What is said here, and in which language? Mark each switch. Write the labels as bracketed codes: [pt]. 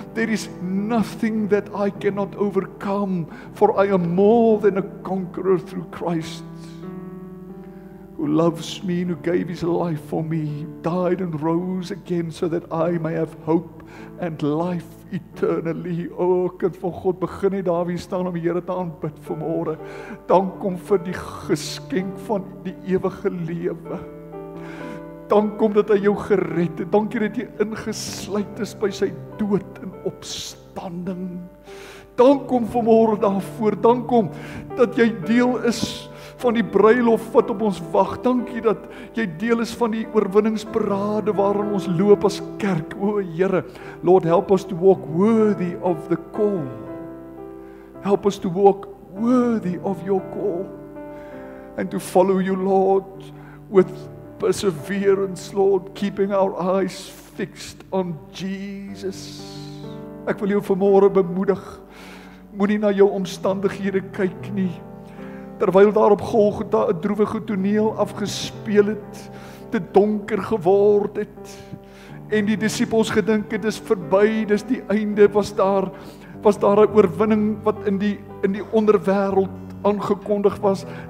[en] There is nothing that I cannot overcome, for I am more than a conqueror through Christ who loves me and who gave his life for me, died and rose again so that I may have hope and life eternally. [af] O, kind van God, begin nie daar wie staan om die Here te aanbid vanmôre. Dank hom vir die geskenk van die ewige lewe. Dank hom dat hy jou gered het. Dankie dat jy ingesluit is by sy dood en opstanding. Dank hom vanmôre daarvoor. Dank hom dat jy deel is van die bruilof wat op ons wag. Dankie dat jy deel is van die oorwinningsparade waarin ons loop as kerk. [en] O Here, Lord, help us to walk worthy of the call. Help us to walk worthy of your call and to follow you, Lord, with perseverance, Lord, keeping our eyes fixed on Jesus. [af] Ek wil jou vanmôre bemoedig. Moenie na jou omstandighede kyk nie. Terwyl daar op Golgotha 'n droewige toneel afgespeel het, te donker geword het, en die disippels gedink het, dis verby, dis die einde, was daar 'n oorwinning wat in die onderwêreld aangekondig was.